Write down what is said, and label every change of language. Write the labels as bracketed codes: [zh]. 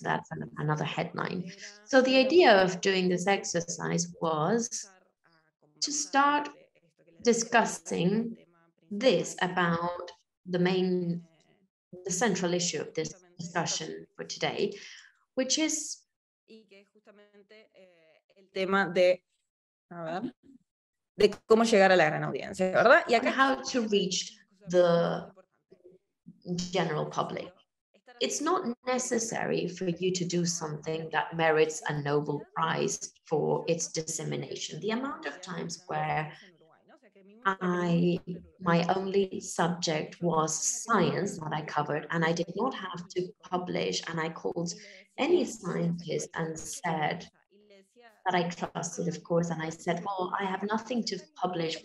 [en] That's another headline. So the idea of doing this exercise was to start discussing this about the central issue of this discussion for today, which is [es] el tema de, a ver, de cómo llegar a la gran audiencia, ¿verdad? Y acá, [en] how to reach the general public. It's not necessary for you to do something that merits a Nobel Prize for its dissemination. The amount of times where my only subject was science that I covered and I did not have to publish, and I called any scientist and said that I trusted, of course, and I said, well, I have nothing to publish.